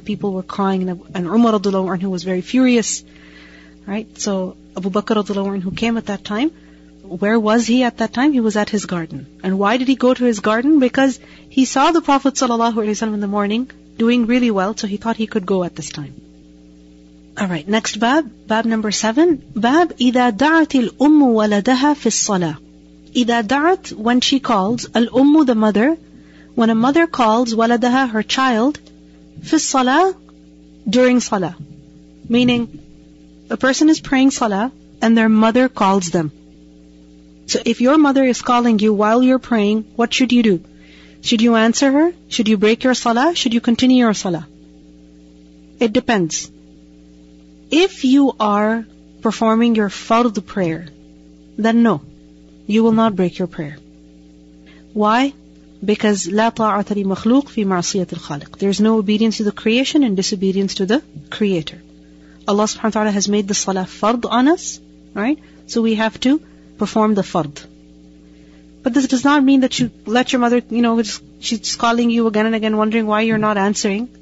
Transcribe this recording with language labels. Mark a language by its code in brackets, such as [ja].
[en] People were crying, and Umar radhiyallahu anhu was very furious. Right, so Abu Bakr radhiyallahu anhu came at that time. Where was he at that time? He was at his garden. And why did he go to his garden? Because he saw the Prophet sallallahu alaihi wasallam in the morning doing really well, so he thought he could go at this time. All right, next bab, bab number 7. [ar] Bab إذا دعت الأم ولدها في الصلاة. إذا دعت, [en] when she calls, [ar] الأم, [en] the mother, when a mother calls [ar] ولدها, [en] her child, [ar] في الصلاة, [en] during صلاة, meaning a person is praying salah and their mother calls them. So if your mother is calling you while you're praying, what should you do? Should you answer her? Should you break your salah? Should you continue your salah? It depends. If you are performing your fard prayer, then no, you will not break your prayer. Why? [ar] Because لا طاعة لمخلوق في معصية الخالق. [en] There is no obedience to the creation and disobedience to the creator. Allah subhanahu wa ta'ala has made the salah fard on us, right? So we have to perform the fard. But this does not mean that you let your mother, you know, she's calling you again and again wondering why you're not answering.